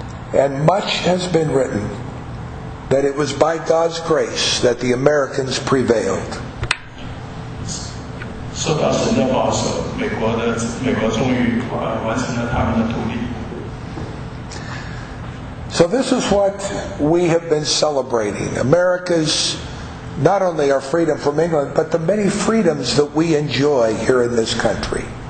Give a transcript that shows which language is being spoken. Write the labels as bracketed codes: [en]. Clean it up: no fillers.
[en] And much has been written that it was by God's grace that the Americans prevailed. [zh] 受到神的保守，美国终于完成了他们的独立。 [en] So this is what we have been celebrating. America's not only our freedom from England, but the many freedoms that we enjoy here in this country.